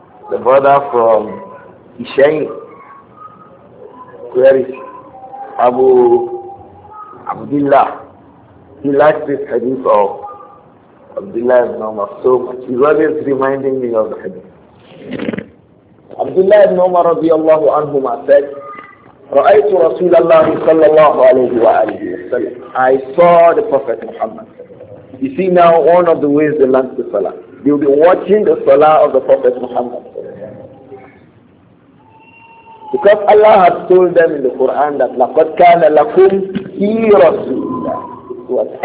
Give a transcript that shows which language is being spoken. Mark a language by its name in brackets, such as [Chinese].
[English] The brother from Ishain. Where is Abu Abdullah? He likes this hadith of Abdullah ibn Umar so much. He's always reminding me of the hadith. Abdullah ibn Umar radiallahu anhu said, [Arabic] رأيت رسول الله صلى الله عليه وآله وسلم. [English] I saw the Prophet Muhammad. You see now, one of the ways they learn the Salah. They will be watching the Salah of the Prophet Muhammad. Because Allah has told them in the Quran that [Arabic] لَقَدْ كَانَ لَكُمْ فِي رَسُولِ اللَّهِ.